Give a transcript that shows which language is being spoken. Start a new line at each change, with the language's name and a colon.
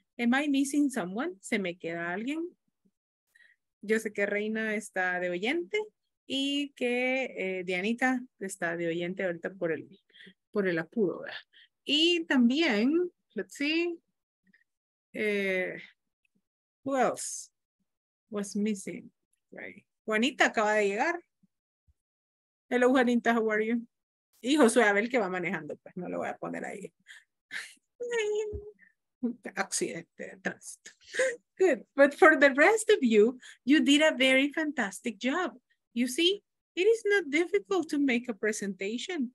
English: Am I missing someone?
Spanish: ¿Se me queda alguien? Yo sé que Reina está de oyente. y que Dianita está de oyente ahorita por el apuro, ¿verdad? Y también,
English: let's see, who else was missing? Right. Juanita
Spanish: acaba de llegar.
English: Hello, Juanita, how are you?
Spanish: Y Josué Abel que va manejando, pues no lo voy a poner ahí. Accidente de tránsito. Good.
English: But for the rest of you, you did a very fantastic job. You see, it is not difficult to make a presentation.